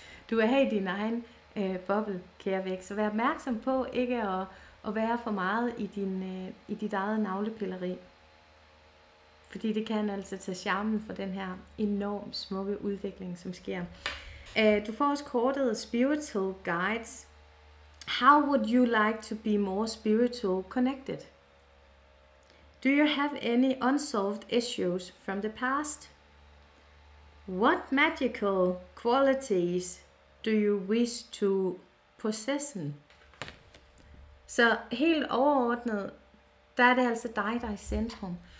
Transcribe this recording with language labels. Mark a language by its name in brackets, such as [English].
[Danish] Du er her i din egen boble, kære væk. Så vær opmærksom på ikke at være for meget i dit eget navlepilleri. Fordi det kan altså tage charmen for den her enormt smukke udvikling, som sker. Du får også kortet Spiritual Guides. [English] How would you like to be more spiritual connected? Do you have any unsolved issues from the past? What magical qualities do you wish to possess? [Danish] Så helt overordnet, der er det altså dig, der er i centrum.